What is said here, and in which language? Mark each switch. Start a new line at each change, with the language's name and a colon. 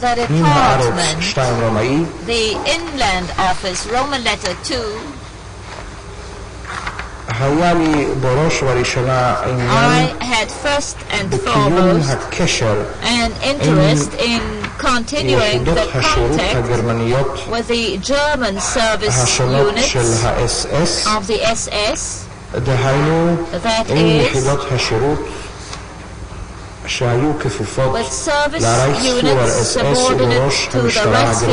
Hebrew: מן הארץ, שתיים רומאי,
English: the inland office, Roman letter 2,
Hebrew: היה לי בראש ובראשונה עניין בקיום הקשר
English: an interest in continuing the contact with the German service units
Hebrew: של ה-SS,
English: of the SS,
Hebrew: דהיינו, עם יחידות השירות שהיו כפופות לרייכספיורר אס-אס ולראש המשטרה